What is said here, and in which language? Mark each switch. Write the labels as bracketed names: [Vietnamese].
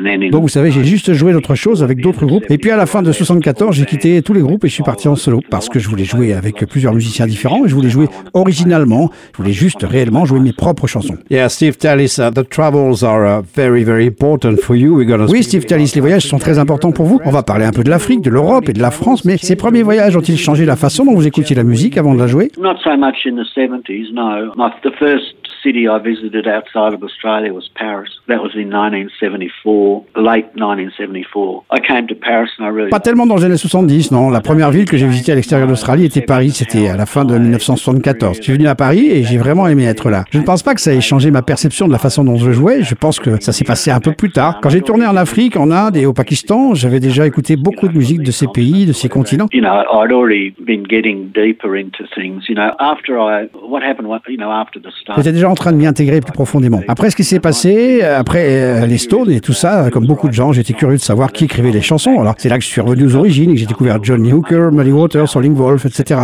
[French] Donc vous savez, j'ai juste joué d'autres choses avec d'autres groupes. Et puis à la fin de 74, j'ai quitté tous les groupes et je suis parti en solo parce que je voulais jouer avec plusieurs musiciens différents et je voulais jouer originalement. Je voulais juste réellement jouer mes propres chansons. [English] Yeah, Steve Tallis, the travels are very, very important for you. [French] Oui, Steve Tallis, les voyages sont très importants pour vous. On va parler un peu de l'Afrique, de l'Europe et de la France, mais ces premiers voyages ont-ils changé la façon dont vous écoutiez la musique avant de la jouer? [English] Not so much in the 70s, no. The first city I visited outside of Australia was Paris. That was in 1974, late 1974. I came to Paris and I really... [French] Pas tellement dans les années 70, non. La première ville que j'ai visitée à l'extérieur d'Australie était Paris. C'était à la fin de 1974. Je suis venu à Paris et j'ai vraiment aimé être là. Je ne pense pas que ça ait changé ma perception de la façon dont je jouais. Je pense que ça s'est passé un peu plus tard. Quand j'ai tourné en Afrique, en Inde et au Pakistan, j'avais déjà écouté beaucoup de musique de ces pays, de ces continents. [English] You know, I'd already been getting deeper into things. You know, after I... What happened, you know, after the start... [French] J'étais déjà en train de m'y intégrer plus profondément. Après ce qui s'est passé, après les Stones et tout ça, comme beaucoup de gens, j'étais curieux de savoir qui écrivait les chansons. Alors, c'est là que je suis revenu aux origines et que j'ai découvert Johnny Hooker, Muddy Waters, Howlin' Wolf, etc.